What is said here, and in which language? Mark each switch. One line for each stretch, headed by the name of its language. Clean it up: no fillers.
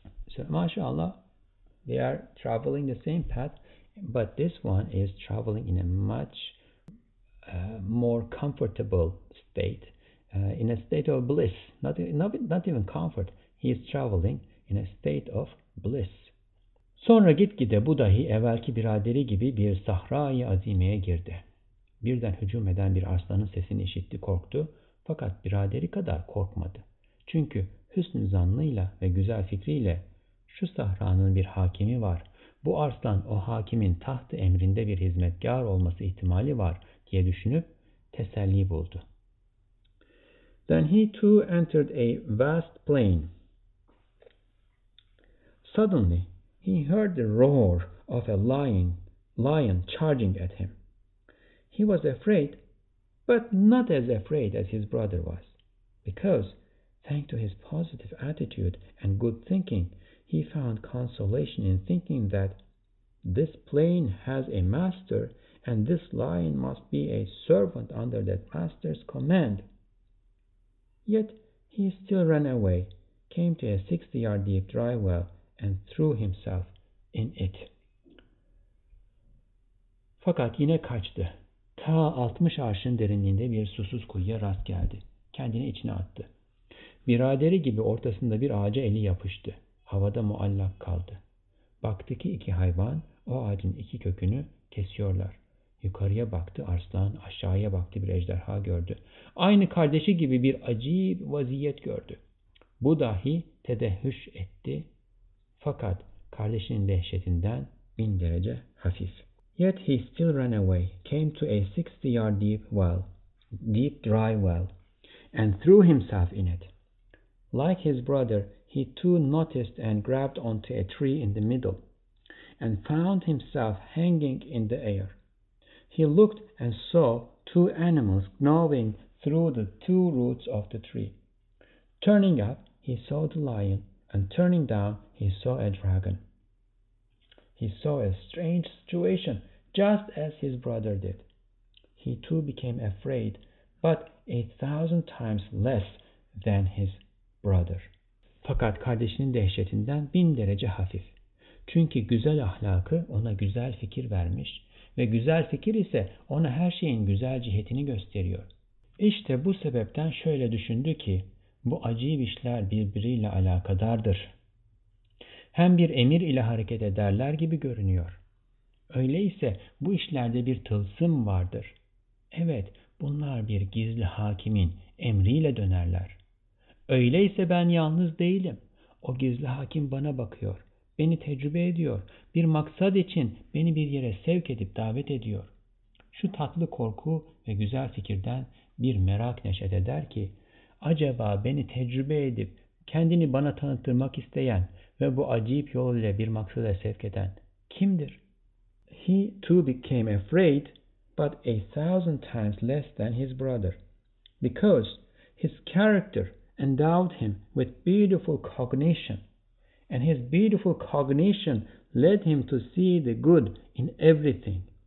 English: So, mashallah, they are traveling the same path, but this one is traveling in a much more comfortable state. In a state of bliss, not even comfort. He is traveling in a state of bliss.
Turkish: Sonra gitgide bu dahi evvelki biraderi gibi bir sahra-i azimeye girdi. Birden hücum eden bir aslanın sesini işitti, korktu. Fakat biraderi kadar korkmadı. Çünkü hüsnü zannıyla ve güzel fikriyle şu sahranın bir hakimi var. Bu aslan o hakimin taht-ı emrinde bir hizmetkar olması ihtimali var diye düşünüp teselli buldu.
English: Then he too entered a vast plain. Suddenly, he heard the roar of a lion charging at him. He was afraid, but not as afraid as his brother was, because, thanks to his positive attitude and good thinking, he found consolation in thinking that this plain has a master, and this lion must be a servant under that master's command. Yet he still ran away, came to a 60-yard deep dry well, and threw himself in it.
Turkish: Fakat yine kaçtı. Ta 60 arşın derinliğinde bir susuz kuyuya rast geldi. Kendini içine attı. Biraderi gibi ortasında bir ağaca eli yapıştı. Havada muallak kaldı. Baktı ki iki hayvan o ağacın iki kökünü kesiyorlar. Yukarıya baktı arslan, aşağıya baktı bir ejderha gördü. Aynı kardeşi gibi bir acib vaziyet gördü. Bu dahi tedehüş etti. Fakat kardeşinin dehşetinden 1000 derece hafif.
English: Yet he still ran away, came to a 60-yard deep well, deep dry well, and threw himself in it. Like his brother, he too noticed and grabbed onto a tree in the middle, and found himself hanging in the air. He looked and saw two animals gnawing through the two roots of the tree. Turning up, he saw the lion, and turning down, he saw a dragon. He saw a strange situation, just as his brother did. He too became afraid, but 1,000 times less than his brother.
Turkish: Fakat kardeşinin dehşetinden 1000 derece hafif. Çünkü güzel ahlakı ona güzel fikir vermiş ve güzel fikir ise ona her şeyin güzel cihetini gösteriyor. İşte bu sebepten şöyle düşündü ki, bu acayip işler birbiriyle alakadardır. Hem bir emir ile hareket ederler gibi görünüyor. Öyleyse bu işlerde bir tılsım vardır. Evet, bunlar bir gizli hakimin emriyle dönerler. Öyleyse ben yalnız değilim. O gizli hakim bana bakıyor, beni tecrübe ediyor, bir maksat için beni bir yere sevk edip davet ediyor. Şu tatlı korku ve güzel fikirden bir merak neşet eder ki, acaba beni tecrübe edip kendini bana tanıttırmak isteyen ve bu acayip yol ile bir maksada sevk eden kimdir?
English: He too became afraid, but 1,000 times less than his brother, because his character endowed him with beautiful cognition, and his beautiful cognition led him to see the good in everything.